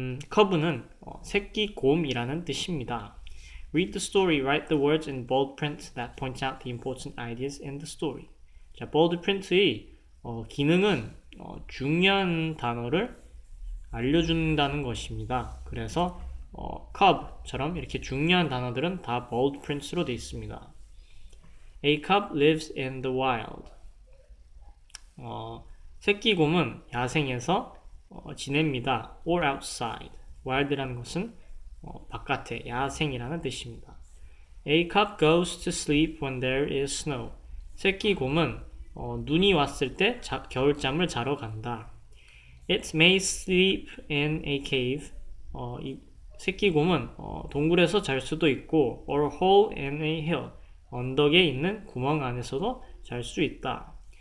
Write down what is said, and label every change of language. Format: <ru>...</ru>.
<ko>커브는 새끼 곰이라는 뜻입니다.</ko> <en>Read the story, write the words in bold print that point out the important ideas in the story.</en> <ko>자, bold print의 기능은 중요한 단어를 알려준다는 것입니다. 그래서 cub처럼 이렇게 중요한 단어들은 다 bold print으로 되어 있습니다.</ko> <en>A cub lives in the wild.</en> <ko>새끼 곰은 야생에서 지냅니다.</ko> <en>Or outside.</en> <ko>Wild라는 것은 바깥에, 야생이라는 뜻입니다.</ko> <en>A cub goes to sleep when there is snow.</en> <ko>새끼 곰은 눈이 왔을 때 겨울잠을 자러 간다.</ko> <en>It may sleep in a cave.</en> <ko>새끼 곰은 동굴에서 잘 수도 있고</ko> <en>or a hole in a hill.</en> <ko>언덕에 있는 구멍 안에서도 잘 수 있다.</ko>